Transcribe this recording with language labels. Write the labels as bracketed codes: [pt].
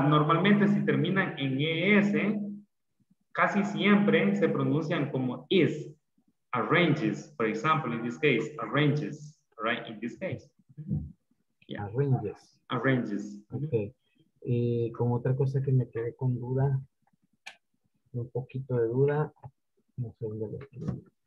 [es] Normalmente si terminan en ES, casi siempre se pronuncian como is. [en] Arranges, for example, in this case, arranges, right? In this case. Yeah. Arranges. Arranges. [es] Okay. Y con otra cosa que me quedé con duda, un poquito de duda, no sé dónde lo tengo.